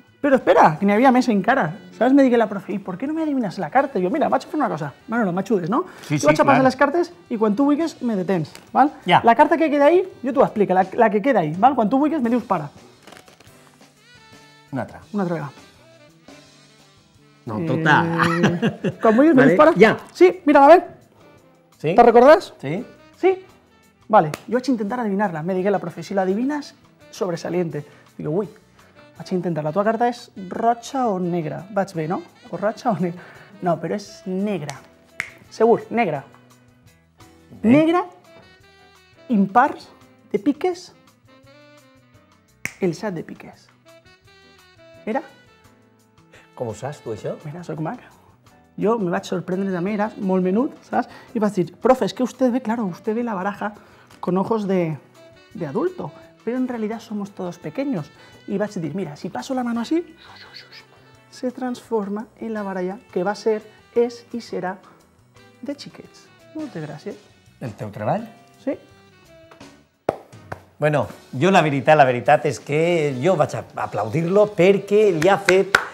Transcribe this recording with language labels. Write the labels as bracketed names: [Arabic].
[Catalan] Però espera, que n'hi havia més encara. Saps? Me digui la profe, i per què no m'adivines la carta? Jo, mira, vaig a fer una cosa. Bueno, no m'ajudes, no? Sí, sí, jo vaig a passar les cartes i quan tu vulguis me detens, val? Ja. La carta que queda ahí, jo t'ho explico, la que queda ahí, val? Quan tu vulguis me dius para. Una altra. Una altra vegada. No, tota. Com vulguis, me dispara. Ja. Sí, mira-la bé. Sí. Te'n recordes? Sí. Sí? Vale, jo vaig intentar adivinar-la. Me digué la profe, si l'adivines, sobresaliente. Digo, ui, vaig intentar. La tua carta és roja o negra? Vaig bé, no? O roja o negra? No, però és negra. Segur, negra. Negra, impars, de piques, el 7 de piques. Era... Com ho saps, tu, això? Mira, soc maca. Jo me vaig sorprendre de manera molt menut, saps? I vaig dir, profe, és que [Spanish] usted ve, claro, usted ve la baraja con ojos de adulto, pero en realidad somos todos pequeños. [Catalan] I vaig dir, mira, [Spanish] si paso la mano así, se transforma en [Catalan] la baralla que va ser, és i serà de xiquets. Moltes gràcies. El teu treball? Sí. Bueno, jo la veritat és que jo vaig aplaudir-lo perquè li ha fet...